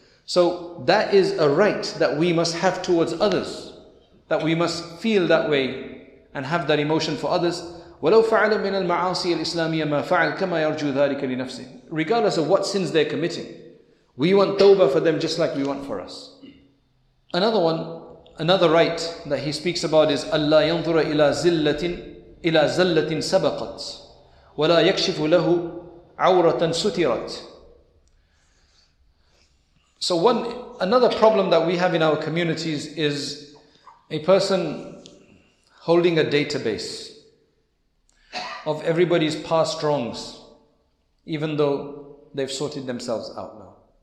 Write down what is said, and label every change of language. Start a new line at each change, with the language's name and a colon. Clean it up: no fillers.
English: So that is a right that we must have towards others, that we must feel that way and have that emotion for others.
Arabic: وَلَوْ فَعَلَ مِنَ الْمَعَاصِيَ الْإِسْلَامِيَ مَا فَعَلْ كَمَا يَرْجُو ذَلِكَ لِنَفْسِهِ.
English: Regardless of what sins they're committing, we want tawbah for them just like we want for us. Another one, another right that he speaks about is
Arabic: أَلَّا يَنْظُرَ إِلَى زِلَّةٍ إِلَى زَلَّةٍ سَبَقَتْ وَلَا يَكْشِفُ لَهُ عَوْرَةً سُتِرَتْ.
English: So another problem that we have in our communities is a person holding a database of everybody's past wrongs, even though they've sorted themselves out now.